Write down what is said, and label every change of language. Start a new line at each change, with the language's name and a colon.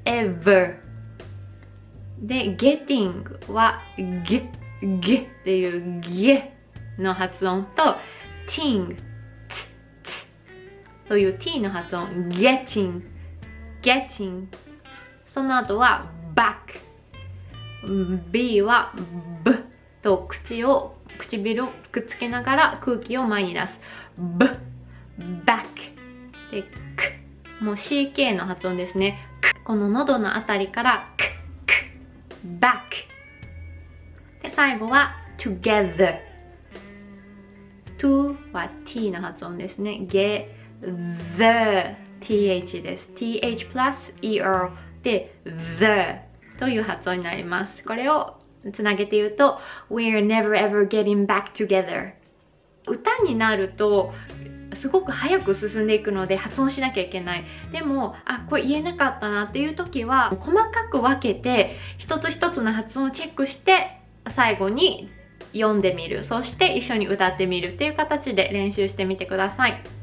Japanese: ever で getting は ge っていう ge の発音と ting という T の発音 getting getting、 その後は back、 B は b と唇をくっつけながら空気を前に出す b back で k も CK の発音ですね。 k この喉のあたりから k k back で最後は together、 to は T の発音ですね。 getThe th です。 th plus er で the という発音になります。これをつなげて言うと
English: We're never ever getting back together。
Japanese: 歌になるとすごく早く進んでいくので発音しなきゃいけない。でもあ、これ言えなかったなっていう時は細かく分けて一つ一つの発音をチェックして最後に読んでみる、そして一緒に歌ってみるっていう形で練習してみてください。